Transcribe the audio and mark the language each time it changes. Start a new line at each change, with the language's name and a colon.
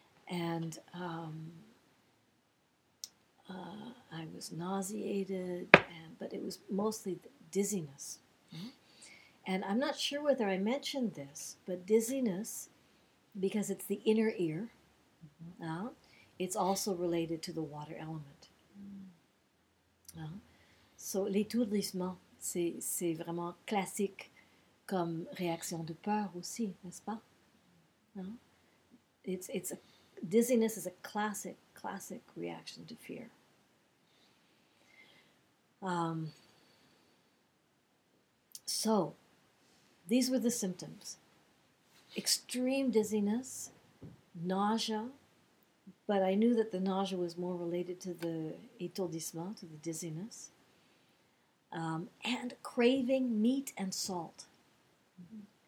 English: And I was nauseated, but it was mostly dizziness. And I'm not sure whether I mentioned this, but dizziness, because it's the inner ear, it's also related to the water element.
French: So l'étourdissement, c'est vraiment classique comme réaction de peur aussi, n'est-ce pas?
English: It's dizziness is a classic reaction to fear. So, these were the symptoms. Extreme dizziness, nausea, but I knew that the nausea was more related to the étourdissement, to the dizziness, and craving meat and salt. Mm-hmm.